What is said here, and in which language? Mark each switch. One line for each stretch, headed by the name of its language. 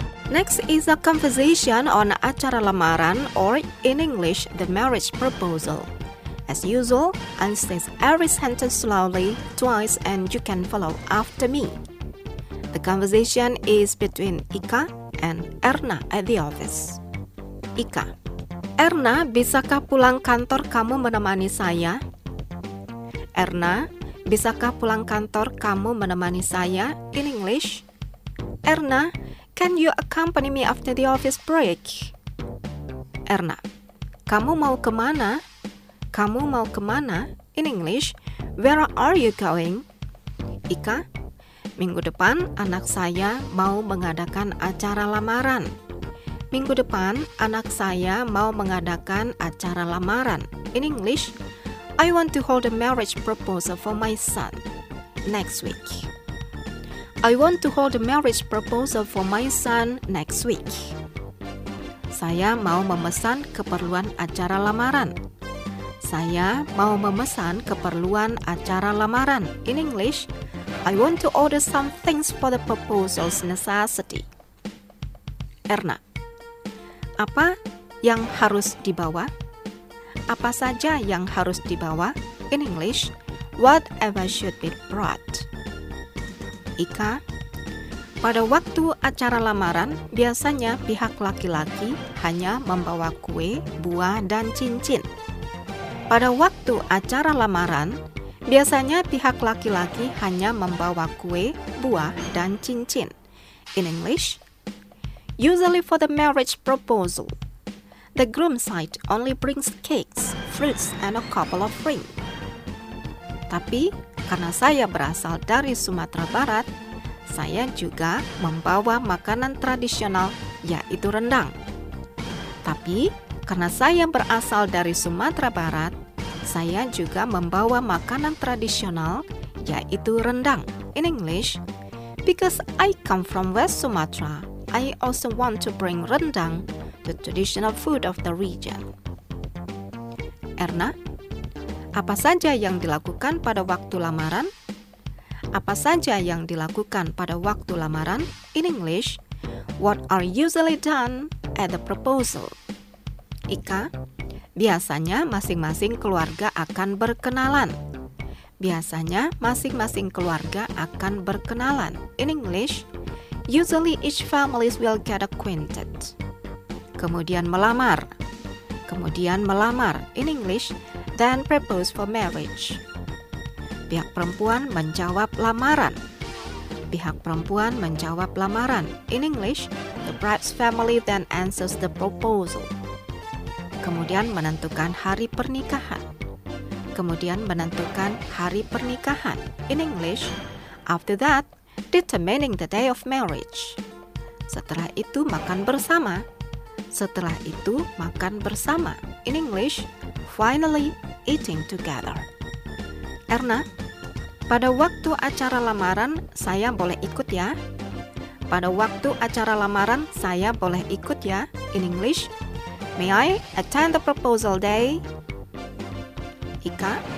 English: Next is a conversation on acara lamaran, or in English, the marriage proposal. As usual, I'll say every sentence slowly, twice, and you can follow after me. The conversation is between Ika and Erna at the office.
Indonesian: Ika: Erna, bisakah pulang kantor kamu menemani saya? Erna: Bisakah pulang kantor kamu menemani saya?
English: In English: Erna: Can you accompany me after the office break?
Indonesian: Erna: Kamu mau kemana? Kamu mau kemana?
English: In English: Where are you going?
Indonesian: Ika: Minggu depan anak saya mau mengadakan acara lamaran. Minggu depan anak saya mau mengadakan acara lamaran.
English: In English: I want to hold a marriage proposal for my son next week. I want to hold a marriage proposal for my son next week.
Indonesian: Saya mau memesan keperluan acara lamaran. Saya mau memesan keperluan acara lamaran.
English: In English: I want to order some things for the proposal's necessity.
Indonesian: Erna: Apa yang harus dibawa? Apa saja yang harus dibawa?
English: In English: Whatever should be brought.
Indonesian: Ika: Pada waktu acara lamaran, biasanya pihak laki-laki hanya membawa kue, buah, dan cincin. Pada waktu acara lamaran, biasanya pihak laki-laki hanya membawa kue, buah, dan cincin.
English: In English: Usually for the marriage proposal, the groom's side only brings cakes, fruits, and a couple of rings.
Indonesian: Tapi karena saya berasal dari Sumatera Barat, saya juga membawa makanan tradisional, yaitu rendang. Tapi karena saya berasal dari Sumatera Barat, saya juga membawa makanan tradisional, yaitu rendang.
English: In English: Because I come from West Sumatra, I also want to bring rendang, the traditional food of the region.
Indonesian: Erna: Apa saja yang dilakukan pada waktu lamaran? Apa saja yang dilakukan pada waktu lamaran?
English: In English: What are usually done at the proposal?
Indonesian: Ika: Biasanya masing-masing keluarga akan berkenalan. Biasanya masing-masing keluarga akan berkenalan.
English: In English: Usually each family will get acquainted.
Indonesian: Kemudian melamar. Kemudian melamar.
English: In English: Then propose for marriage.
Indonesian: Pihak perempuan menjawab lamaran. Pihak perempuan menjawab lamaran.
English: In English: The bride's family then answers the proposal.
Indonesian: Kemudian menentukan hari pernikahan. Kemudian menentukan hari pernikahan.
English: In English: After that, determining the day of marriage.
Indonesian: Setelah itu makan bersama. Setelah itu makan bersama.
English: In English: Finally, eating together.
Indonesian: Erna: Pada waktu acara lamaran, saya boleh ikut ya? Pada waktu acara lamaran, saya boleh ikut ya?
English: In English: May I attend the proposal day?
Indonesian: Ika: